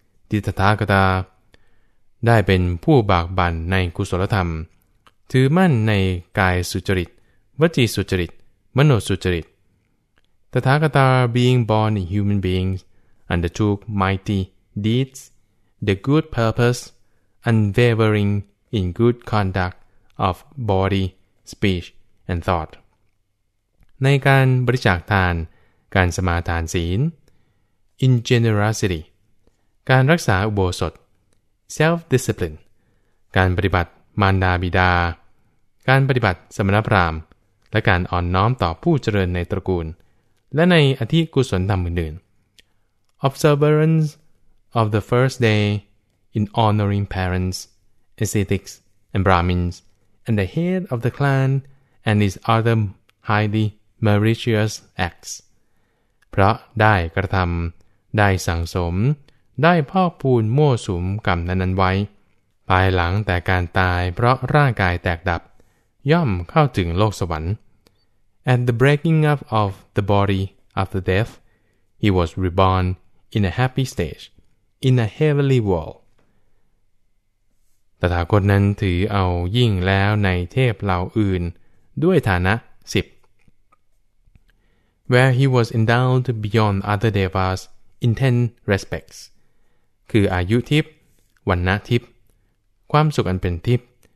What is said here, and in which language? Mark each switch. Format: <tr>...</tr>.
<th>the Tathagata ได้เป็นผู้บากบั่นในกุศลธรรมถือมั่นในกายสุจริตวจีสุจริตมโนสุจริต</th> <en>Tathagata being born in human beings undertook mighty deeds, the good purpose, unwavering in good conduct of body, speech, and thought.</en> <th>ในการบริจาคทานการสมาทานศีล</th> <en>in generosity</en> <th>การรักษาอุโบสถ</th> <en>self discipline</en> <th>การปฏิบัติมารดาบิดาการปฏิบัติสมณพราหมณ์และการอ่อนน้อมต่อผู้เจริญในตระกูลและในอธิกุศลธรรมอื่น</th> <en>ๆ observance of the first day in honoring parents ascetics and brahmins and the head of the clan and his otherhighly meritorious acts</en> <th>เพราะได้กระทำได้สั่งสมได้พอกพูนมั่วสุมกรรมนั้นๆไว้ภายหลังแต่การตายเพราะร่างกายแตกดับย่อมเข้าถึงโลกสวรรค์</th> <en>and the breaking up of the body after death he was reborn in a happy stage in a heavenly world</en> <th>ตถาคตนั้นถือเอายิ่งแล้วในเทพเหล่าอื่นด้วยฐานะ10</th> <en>where he was endowed beyond other devas in 10 respects</en> <th>คืออายุทิพย์วรรณทิพย์ความสุขอันเป็นทิพย์</th>